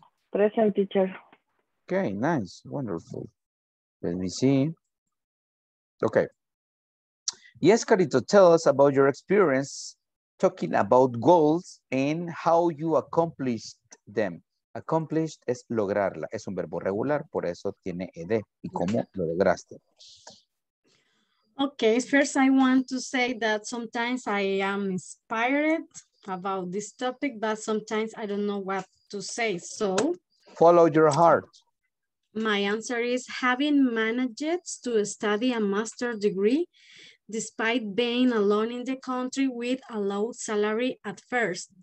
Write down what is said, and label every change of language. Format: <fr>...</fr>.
<en>Present, teacher. Okay, nice. Wonderful. Let me see. Okay. Yes, Carito, tell us about your experience talking about goals and how you accomplished them.</en> <es>Accomplished es lograrla. Es un verbo regular, por eso tiene ed. ¿Y cómo lo lograste?</es> <en>Okay, first I want to say that sometimes I am inspired about this topic, but sometimes I don't know what to say. So, follow your heart. My answer is having managed to study a master's degree despite being alone in the country with a low salary at first.</en>